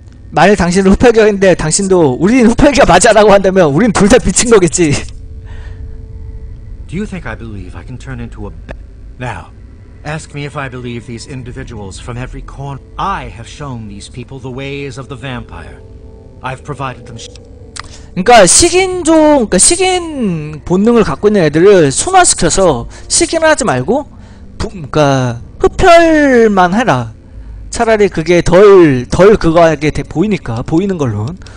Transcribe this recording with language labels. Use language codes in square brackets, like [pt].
[ko] 만일 당신은 후팔격인데 당신도 우린 후팔격 맞아라고 한다면 우린 둘 다 미친 거겠지. [en] Do you think I believe I can turn into a bat? Now, ask me if I believe these individuals from every corner. I have shown these people the ways of the vampire. I've provided them. [ko] 그러니까 식인종, 그러니까 식인 본능을 갖고 있는 애들을 순화시켜서 식인을 하지 말고, 그러니까 흡혈만 해라. 차라리 그게 덜 그거하게 보이니까, 보이는 걸론.